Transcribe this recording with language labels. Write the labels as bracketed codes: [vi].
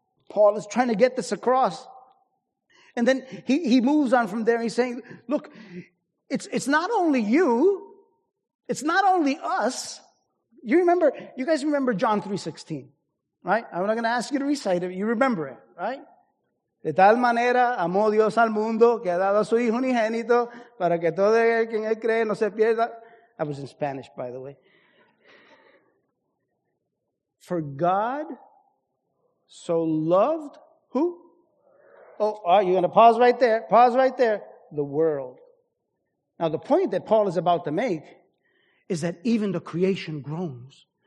[en] Paul is trying to get this across. And then he moves on from there. He's saying, look, it's not only you. It's not only us. You remember, you guys remember John 3:16, right? I'm not going to ask you to recite it. You remember it, right? [es] De tal manera amó Dios al mundo que ha dado a su hijo unigénito para que todo el que en él cree no se pierda. [en] I was in Spanish, by the way. For God so loved who? Oh, you're going to pause right there. Pause right there. The world. Now, the point that Paul is about to make is that even the creation groans.